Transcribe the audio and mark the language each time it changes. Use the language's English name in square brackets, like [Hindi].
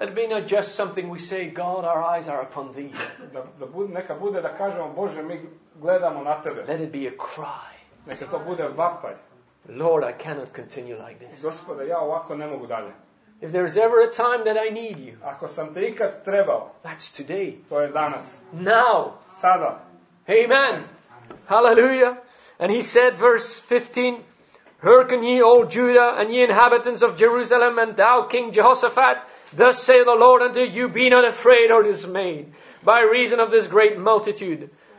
[English] Let it be not just something we say, God, our eyes are upon thee. [Croatian] Da neka bude da kažemo, Bože, mi gledamo na tebe. [English] Let it be a cry. [Croatian] Neka to bude vapaj. [English] Lord, I cannot continue like this. [Croatian] Gospode, ja ovako ne mogu dalje. [English] If there is ever a time that I need you. [Croatian] Ako sam te ikad trebao. [English] That's today. [Croatian] To je danas. [English] Now. [Croatian] Sada. Amen. Hallelujah. [English] And he said, verse 15, Hearken ye, O Judah, and ye inhabitants of Jerusalem, and thou, King Jehoshaphat, thus saith the Lord unto you, be not afraid or dismayed, by reason of this great multitude.